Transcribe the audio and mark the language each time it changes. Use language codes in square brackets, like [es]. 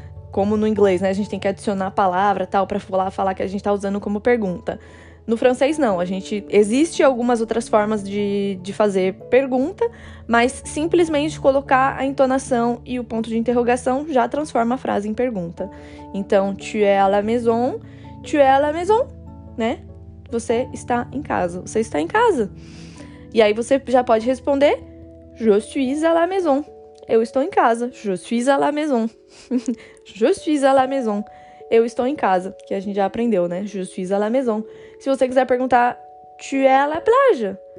[pt] Como no inglês, né? A gente tem que adicionar a palavra tal para falar que a gente tá usando como pergunta. No francês, não. Existe algumas outras formas de fazer pergunta, mas simplesmente colocar a entonação e o ponto de interrogação já transforma a frase em pergunta. [fr] Então, tu es à la maison, tu es à la maison, né? [pt] Você está em casa. Você está em casa. E aí você já pode responder, [fr] je suis à la maison. [pt] Eu estou em casa. [fr] Je suis à la maison. Je suis à la maison. [pt] Eu estou em casa, que a gente já aprendeu, né? [fr] Je suis à la maison. [pt] Se você quiser perguntar, [fr] tu es à la plage?